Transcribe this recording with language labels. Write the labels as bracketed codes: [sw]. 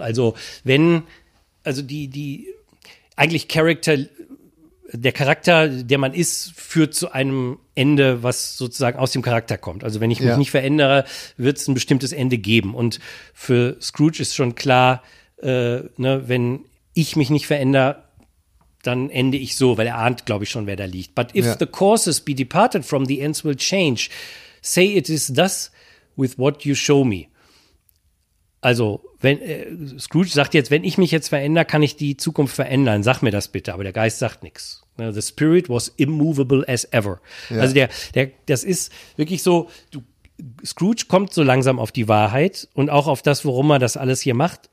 [de] Also wenn, also die eigentlich Charakter, der Charakter, der man ist, führt zu einem Ende, was sozusagen aus dem Charakter kommt. Also wenn ich mich nicht verändere, wird es ein bestimmtes Ende geben. Und für Scrooge ist schon klar, wenn ich mich nicht verändere, dann ende ich so, weil er ahnt, glaube ich, schon, wer da liegt. [en] But if the courses be departed from, the ends will change. Say it is thus with what you show me. [de] Also, wenn Scrooge sagt jetzt, wenn ich mich jetzt verändere, kann ich die Zukunft verändern. Sag mir das bitte. Aber der Geist sagt nichts. [en] The spirit was immovable as ever. [de] Ja. Also, das ist wirklich so, Scrooge kommt so langsam auf die Wahrheit und auch auf das, warum er das alles hier macht.